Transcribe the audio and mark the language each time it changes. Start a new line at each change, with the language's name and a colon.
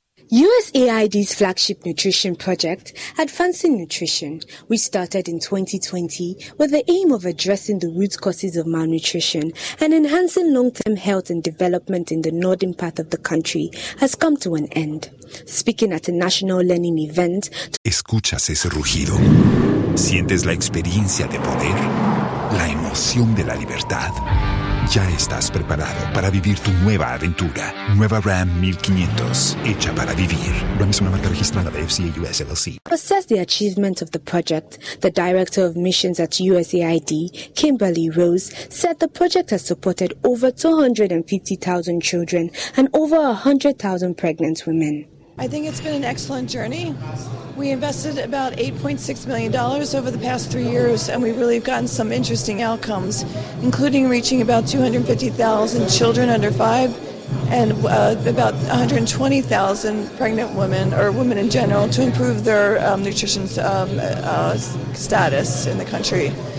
English: USAID's flagship nutrition project, Advancing Nutrition, which started in 2020 with the aim of addressing the root causes of malnutrition and enhancing long-term health and development in the northern part of the country, has come to an end. Speaking at a national learning event,
Spanish: escuchas ese rugido, sientes la experiencia de poder, la emoción de la libertad. Ya estás preparado para vivir tu nueva aventura. Nueva Ram 1500, hecha para vivir. Ram es una marca registrada de FCA US LLC.
English: To assess the achievement of the project, the Director of Missions at USAID, Kimberly Rose, said the project has supported over 250,000 children and over 100,000 pregnant women. I think it's been an excellent journey. We invested about $8.6 million over the past 3 years, and we've really gotten some interesting outcomes, including reaching about 250,000 children under five and about 120,000 pregnant women or women in general to improve their nutrition status in the country.